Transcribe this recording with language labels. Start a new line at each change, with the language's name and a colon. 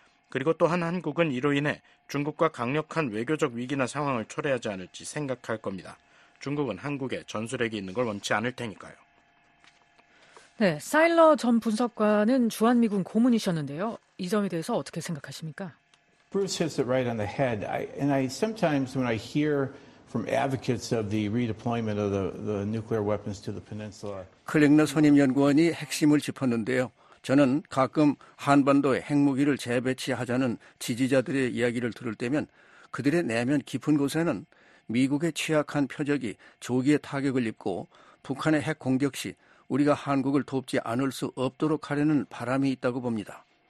Korean: 그리고 또한 한국은 이로 인해 중국과 강력한 외교적 위기나 상황을 초래하지 않을지 생각할 겁니다. 중국은 한국에 전술핵이 있는 걸 원치 않을 테니까요. 네, 사일러 전 분석관은 주한미군 고문이셨는데요. 이 점에 대해서 어떻게 생각하십니까?
English: Bruce hits it right on the head. I sometimes when I hear from advocates of the redeployment of the nuclear weapons to the peninsula.
Korean: 클랭너 선임 연구원이 핵심을 짚었는데요. 저는 가끔 한반도에 핵무기를 재배치하자는 지지자들의 이야기를 들을 때면 그들의 내면 깊은 곳에는 미국의 취약한 표적이 조기에 타격을 입고 북한의 핵 공격 시 우리가 한국을 돕지 않을 수 없도록 하려는 바람이 있다고 봅니다.